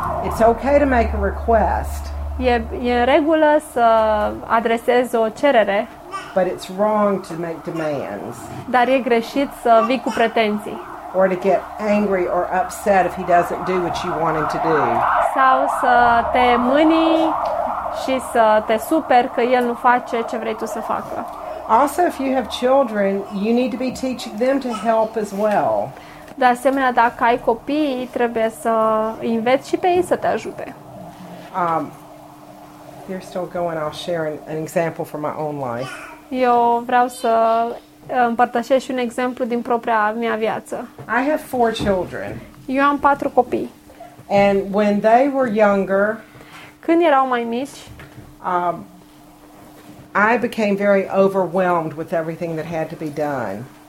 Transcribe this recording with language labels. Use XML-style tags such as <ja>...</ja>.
<en>It's okay to make a request.</en> <ro>E în regulă să adresezi o cerere.</ro> <en>But it's wrong to make demands.</en> <ro>Dar e greșit să vii cu pretenții.</ro> <en>Or to get angry or upset if he doesn't do what you want him to do.</en> <ro>Sau să te mâni și să te superi că el nu face ce vrei tu să facă.</ro> <en>Also, if you have children, you need to be teaching them to help as well.</en> <ro>De asemenea, dacă ai copii, trebuie să îi înveți și pe ei să te ajute.</ro> <en>You're still going. I'll share an example from my own life.</en> <ro>Eu vreau să împărtășesc un exemplu din propria mea viață.</ro> <en>I have four children.</en> <ro>Eu am patru copii.</ro> <en>And when they were younger,</en> <ro>când erau mai mici,</ro> <en>I became very overwhelmed with everything that had to be done.</en>